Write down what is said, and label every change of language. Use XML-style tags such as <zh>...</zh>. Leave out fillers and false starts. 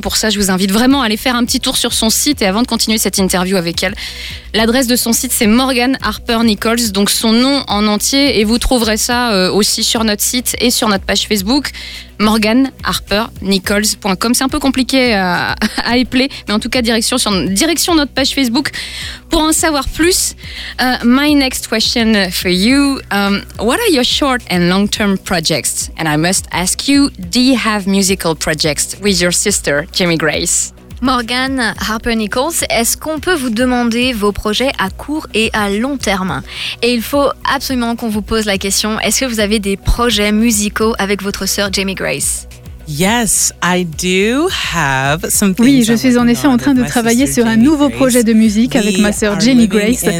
<fr>Pour ça, je vous invite vraiment à aller faire un petit tour sur son site. Et avant de continuer cette interview avec elle, l'adresse de son site, c'est Morgan Harper Nichols, donc son nom en entier. Et vous trouverez ça aussi sur notre site et sur notre page Facebook, morganharpernichols.com. C'est un peu compliqué à épeler, mais en tout cas, direction notre page Facebook pour en savoir plus.</fr> <en>My next question for you, what are your short and long-term projects? And I must ask you, do you have musical projects with your sister, Jimmy Grace?</en> <fr>Morgan Harper Nichols, est-ce qu'on peut vous demander vos projets à court et à long terme? Et il faut absolument qu'on vous pose la question, est-ce que vous avez des projets musicaux avec votre sœur Jamie Grace?</fr> <en>Yes, I do have some things.</en> <fr>Oui, je suis en effet en train de travailler sur un nouveau projet de musique avec ma sœur Jenny Grace.</fr>